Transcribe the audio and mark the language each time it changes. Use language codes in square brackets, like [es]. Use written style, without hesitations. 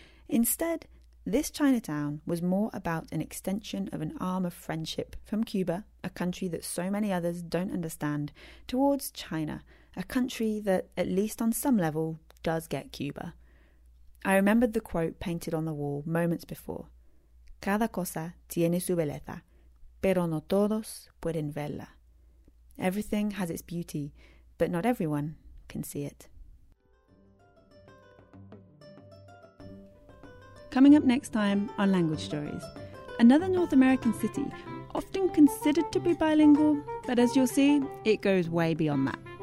[en] Instead, this Chinatown was more about an extension of an arm of friendship from Cuba, a country that so many others don't understand, towards China, a country that, at least on some level, does get Cuba. I remembered the quote painted on the wall moments before. [es] Cada cosa tiene su belleza, pero no todos pueden verla. [en] Everything has its beauty, but not everyone can see it. coming up next time on Language Stories. Another North American city, often considered to be bilingual, but as you'll see, it goes way beyond that.